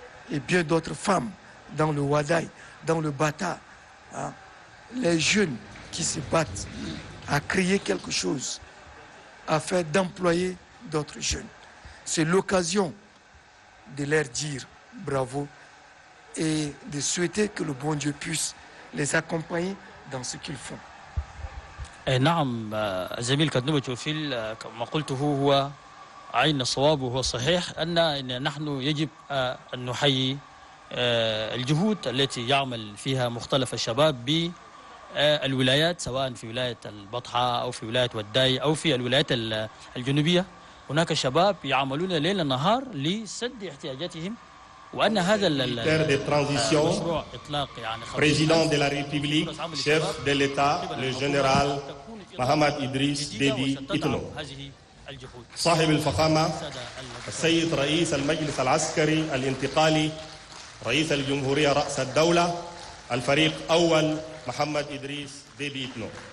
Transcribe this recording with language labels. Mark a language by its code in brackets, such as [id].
[fr] Et bien d'autres femmes dans le Wadaï, dans le Bata, hein, les jeunes qui se battent à créer quelque chose, à faire d'employer d'autres jeunes. C'est l'occasion de leur dire bravo et de souhaiter que le bon Dieu puisse les accompagner dans ce qu'ils font. [ar] Et نعم زميل قد نبت وفيل كما قلته هو عين الصواب وهو صحيح ان نحن يجب ان نحيي الجهود التي يعمل فيها مختلف الشباب بالولايات سواء في ولايه البطحه او في ولايه والداي او في الولايات الجنوبيه هناك شباب يعملون ليل نهار لسد احتياجاتهم وان هذا المشروع اطلاق يعني [fr] président de la république chef de l'état le général [ar] Mohamed Idriss Déby Itno صاحب الفخامة السيد رئيس المجلس العسكري الانتقالي رئيس الجمهورية رأس الدولة الفريق أول محمد إدريس ديبي إتنو